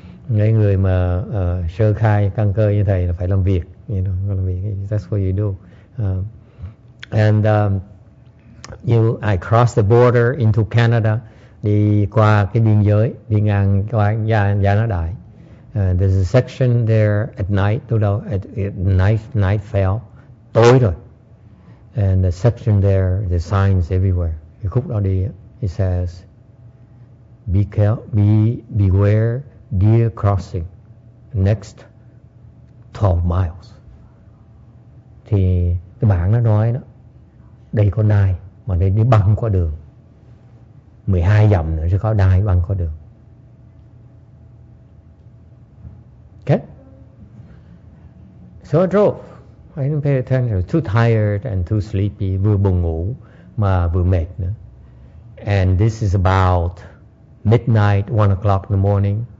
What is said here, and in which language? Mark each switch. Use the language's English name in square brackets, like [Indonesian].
[Vietnamese] Người mà sơ khai căn cơ như thầy là phải làm việc, you know, làm việc. [English] That's what you do. I crossed the border into Canada, [Vietnamese] đi qua cái biên giới, đi ngang qua Gia Na Đại. [English] There's a section there at night, night fell, [Vietnamese] tối rồi. [English] And the section there, the signs everywhere. Cái khúc đó đi, it says, beware. Deer crossing, next 12 miles. [Vietnamese] Thì cái bảng nó nói đó, đây có nai, mà đây đi băng qua đường. 12 dặm nữa sẽ có nai băng qua đường. [English] Okay? So I drove. I didn't pay attention. Too tired and too sleepy. [Vietnamese] Vừa buồn ngủ, mà vừa mệt nữa. [English] And this is about midnight, 1 o'clock in the morning.